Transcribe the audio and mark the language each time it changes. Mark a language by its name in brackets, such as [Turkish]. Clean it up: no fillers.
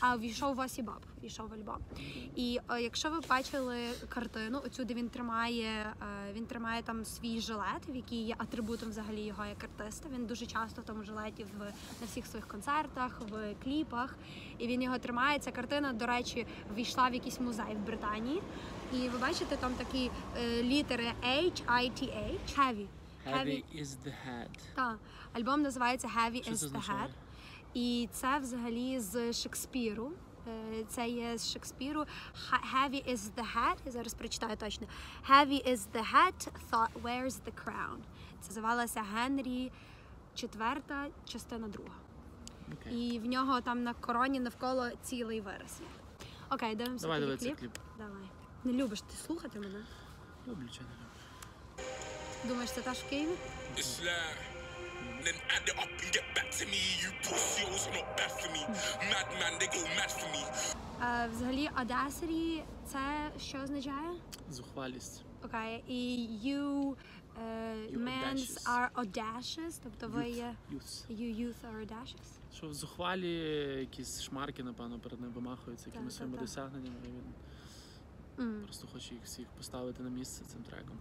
[Ukrainian] А увійшов в Осі Баб, увійшов в альбом. І якщо ви бачили картину, оцю, де він тримає там свій жилет, в який є атрибутом взагалі його як артиста, він дуже часто в тому жилеті на всіх своїх концертах, в кліпах, і він його тримає. Ця картина, до речі, війшла в якийсь музей в Британії. І ви бачите там такі літери H-I-T-H, Heavy. [English] Heavy is the head. [Ukrainian] Так, альбом називається [English] Heavy is the head. [Ukrainian] І це взагалі з Шекспіру. Це є з Шекспіру. [English] Heavy is the head. [Ukrainian] Я зараз прочитаю точно. [English] Heavy is the head, thought wears the crown. [Ukrainian] Це називалося Генрі... Четверта частина друга. [English] Okay. [Ukrainian] І в нього там на короні навколо цілий вираз. Окей, дивимося. Давай, давай кліп. Давай. Не любиш ти слухати мене? Люблю, чи не люблю. Думаєш, це теж в Києві? [English] Then add it up and get back to me. You pussy hoes are not bad for me. Mad man, they go mad for me. [Ukrainian] Взагалі, Audacity, це що означає? Зухвалість. Окей, і you... [English] men are audacious, [Ukrainian] тобто ви є... [English] Youth are audacious. [Ukrainian] Що зухвалі якісь шмарки, напевно, перед ним вимахуються якими своїми досягненнями, і він просто хоче їх всіх поставити на місце цим треком.